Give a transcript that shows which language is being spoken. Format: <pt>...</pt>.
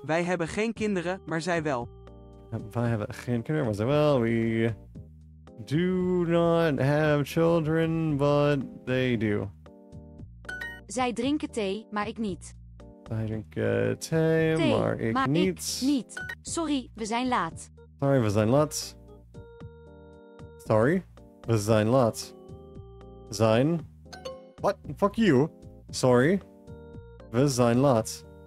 <nl>Wij hebben geen kinderen, maar zij wel. Wij hebben geen kinderen, maar zij wel.</nl> <en>We do not have children, but they do.</en> <nl>Zij drinken thee, maar ik niet. Zij drinken thee, maar ik maar niet. Ik niet. Sorry, we zijn laat. Sorry, we zijn laat. Sorry, we zijn laat. Zijn?</nl> <en>What? Fuck you.</en> <nl>Sorry. We zijn laat.</nl>